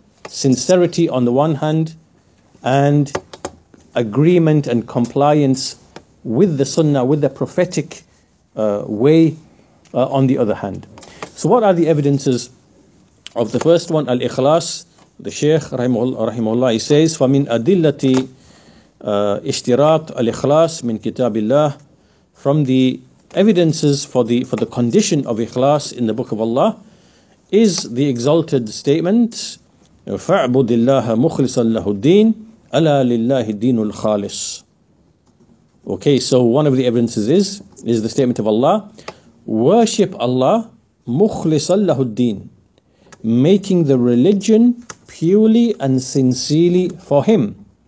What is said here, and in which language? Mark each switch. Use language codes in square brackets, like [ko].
[en] Sincerity on the one hand, and agreement and compliance with the Sunnah, with the prophetic way on the other hand. So what are the evidences of the first one, al-ikhlas? The Shaykh rahimahullah, he says, [ar] فَمِنْ أَدِلَّةِ اشتراط الإخلاص من كتاب الله. [en] From the evidences for the condition of ikhlas in the Book of Allah is the exalted statement, [ar] فَعْبُدِ اللَّهَ مُخْلِصًا لَهُ الدِّينَ أَلَا لِلَّهِ الدِّينُ الْخَالِصِ [en] Okay, so one of the evidences is the statement of Allah, worship Allah [ar] mukhlisan lahu ad-din, [en] making the religion purely and sincerely for him.